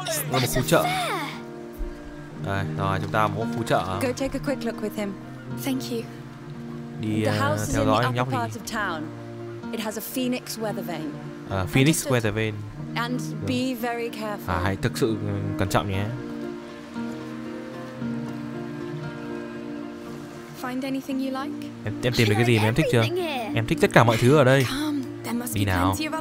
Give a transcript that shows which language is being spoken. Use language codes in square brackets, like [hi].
[vi] Là một phụ trợ. Đây, rồi chúng ta một phụ trợ. [en] Go take a quick look with him. Thank you. [vi] Đi theo dõi nhóc đi. [en] It has a phoenix weather vane. Phoenix weather vane. And be very careful. [vi] À, hãy thực sự cẩn trọng nhé. [en] Find anything you like? [vi] Em tìm được cái gì mà em thích chưa? Em thích tất cả mọi thứ ở đây. Đi nào.